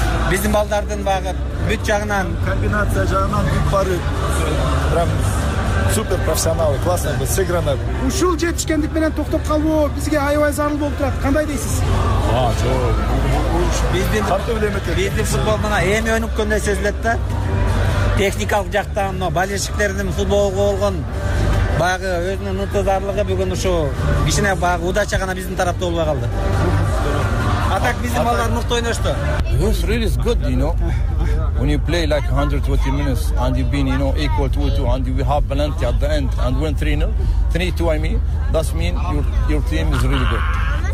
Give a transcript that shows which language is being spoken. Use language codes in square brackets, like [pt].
[ky] Биздин балдардын баягы бүт жагынан, комбинация жагынан бүт бары [ru] Прям супер профессионалы, классно было сыграно. [ky] Ушул жетишкендик менен токтоп калбоо бизге аябай зарыл болуп турат. Кандай дейсиз? А, жок. Биздин футбол мына эми өнүккөндө сезилет да. Техникалык жактан мына болельщиктердин футболго болгон баягы өзүнүн ынтызарлыгы бүгүн ушу кичине баягы удача гана биздин тарапта болбой калды. [en] Who really is good, you know? When you play like 120 minutes and you've been, you know, equal 2-2 and we have Valencia at the end and win 3-0, 3-2 I mean, that means your team is really good.